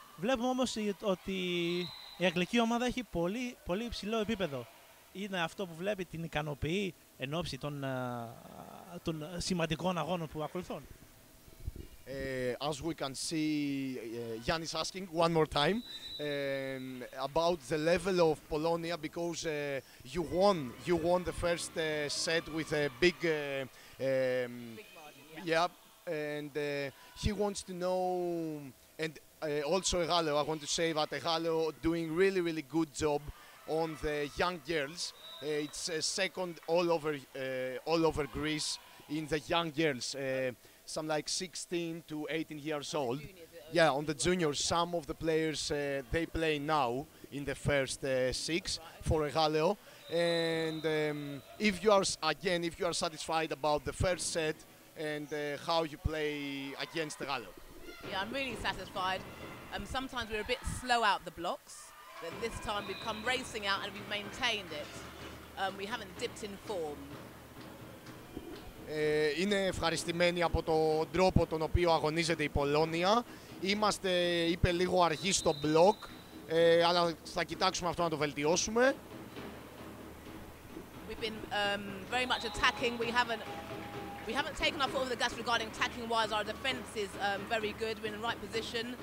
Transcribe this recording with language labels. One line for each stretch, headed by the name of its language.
Greek: Βλέπουμε όμως ότι η αγγλική ομάδα έχει πολύ, πολύ υψηλό επίπεδο. είναι αυτό που βλέπει την ικανοποιεί εν ώψη των, των σημαντικών αγώνων που ακολουθούν.
English: As we can see, Yannis asking one more time about the level of Polonia, because you won the first set with a big, big margin, yeah. And he wants to know, and also Egalo, I want to say that Egalo doing really, really good job on the young girls. It's second all over Greece in the young girls. Some like 16 to 18 years old. Yeah, on the juniors, some of the players, they play now in the first six for Egaleo. And if you are satisfied about the first set and how you play against Egaleo. Yeah, I'm really satisfied. Sometimes we're a bit slow out the blocks, but this time we've come racing out and we've maintained it. We haven't dipped in form.
Greek: Είναι ευχαριστημένη από τον τρόπο τον οποίο αγωνίζεται η Πολώνια. Είμαστε, είπε, λίγο αργοί στο μπλοκ, αλλά θα κοιτάξουμε αυτό να το βελτιώσουμε.
English: We've been very much attacking. We haven't taken our foot off the gas regarding attacking wise. Our defense is very good. We're in the right position.